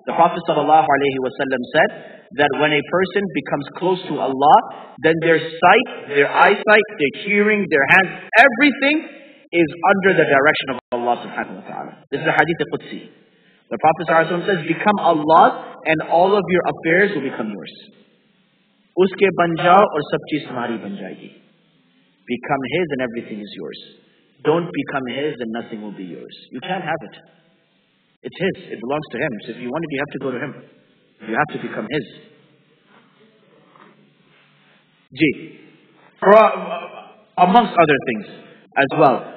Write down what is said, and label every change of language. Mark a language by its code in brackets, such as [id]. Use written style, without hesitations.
[en] The Prophet ﷺ said that when a person becomes close to Allah, then their sight, their eyesight, their hearing, their hands, everything is under the direction of Allah subhanahu wa ta'ala. This is a hadith of Qudsi. The Prophet says, become Allah and all of your affairs will become yours. [ur] اسکے بن جاؤ اور سب چیز تمہاری بن جائے گی. [en] Become His and everything is yours. Don't become His and nothing will be yours. You can't have it. It's His. It belongs to Him. So if you want it, you have to go to Him. You have to become His. Ji. Amongst other things as well.